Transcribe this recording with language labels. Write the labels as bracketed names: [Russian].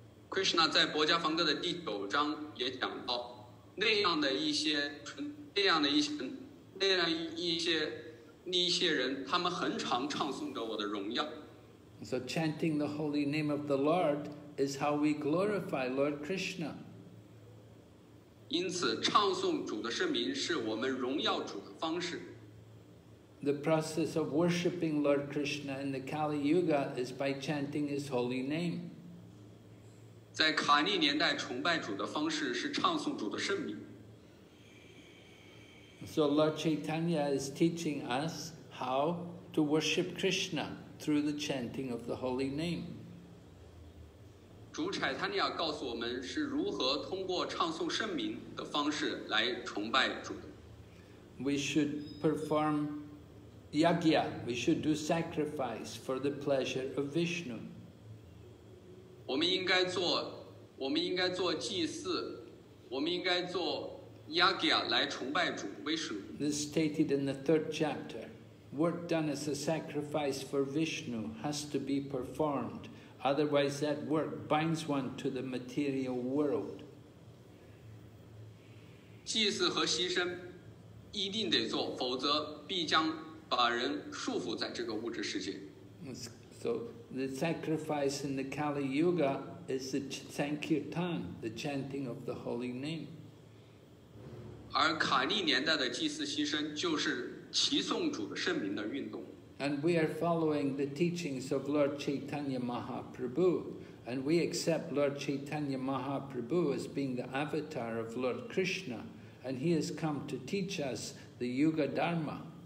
[Chinese] Krishna 在薄伽梵歌的第九章也讲到，那样一些人，他们很常唱诵着我的荣耀。 [English] So chanting the holy name of the Lord. Is how we glorify Lord Krishna. [Chinese] 因此，唱诵主的圣名是我们荣耀主的方式。 [English] The process of worshipping Lord Krishna in the Kali Yuga is by chanting His holy name. [Chinese] 在卡利年代，崇拜主的方式是唱诵主的圣名。 [English] So Lord Chaitanya is teaching us how to worship Krishna through the chanting of the holy name. [Chinese] 主柴塔尼亚告诉我们是如何通过唱诵圣名的方式来崇拜主。 [English] We should perform yagya. We should do sacrifice for the pleasure of Vishnu. [Chinese] 我们应该做祭祀，我们应该做 yagya 来崇拜主 Vishnu. [English] This is stated in the third chapter. Work done as a sacrifice for Vishnu has to be performed. Otherwise, that work binds one to the material world. [Chinese] 祭祀和牺牲一定得做，否则必将把人束缚在这个物质世界。 [English] So the sacrifice in the Kali Yuga is the Sankirtan, the chanting of the holy name. [Chinese] 而卡利年代的祭祀牺牲就是齐颂主的圣名的运动。 [English] And we are following the teachings of Lord Chaitanya Mahaprabhu, and we accept Lord Chaitanya Mahaprabhu as being the avatar of Lord Krishna, and he has come to teach us the Yuga Dharma.